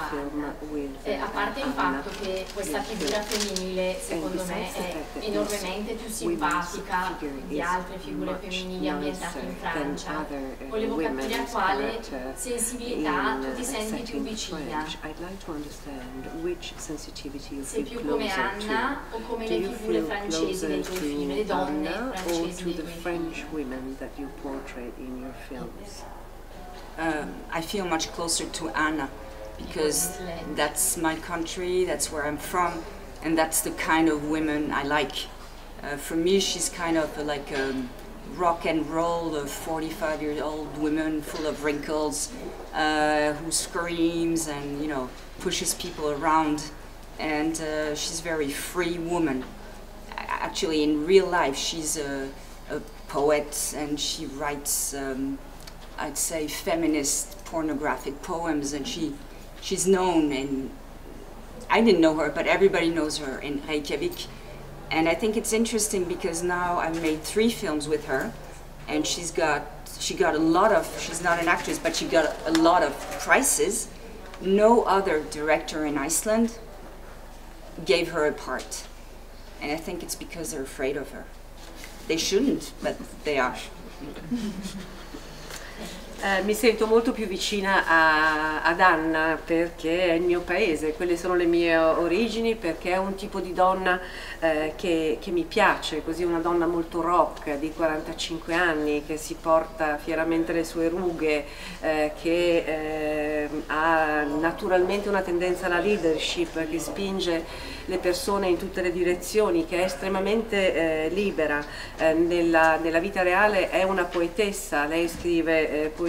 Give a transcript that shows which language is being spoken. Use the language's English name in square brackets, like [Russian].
[Italian] A parte il fatto che questa figura femminile, secondo me, è enormemente più simpatica di altre figure femminili ambientate in Francia, volevo capire a quale sensibilità tu ti senti più vicina. [English] I'd like to understand which sensitivity you feel closer to. [Italian] O come le figure francesi dei tuoi film, le donne francesi dei tuoi film? [English] I feel much closer to Anna, because that's my country, that's where I'm from, and that's the kind of women I like. For me, she's kind of like a rock and roll of 45-year-old woman full of wrinkles, who screams and, you know, pushes people around. And she's a very free woman. Actually, in real life, she's a poet, and she writes, I'd say, feminist pornographic poems, and she's known, and I didn't know her, but everybody knows her in Reykjavik. And I think it's interesting because now I've made 3 films with her, and she's not an actress, but she got a lot of prizes. No other director in Iceland gave her a part, and I think it's because they're afraid of her. They shouldn't, but they are. [Italian] Mi sento molto più vicina ad Anna perché è il mio paese, quelle sono le mie origini, perché è un tipo di donna che mi piace, così una donna molto rock di 45 anni che si porta fieramente le sue rughe, che ha naturalmente una tendenza alla leadership, che spinge le persone in tutte le direzioni, che è estremamente libera. Nella vita reale è una poetessa, lei scrive poesie.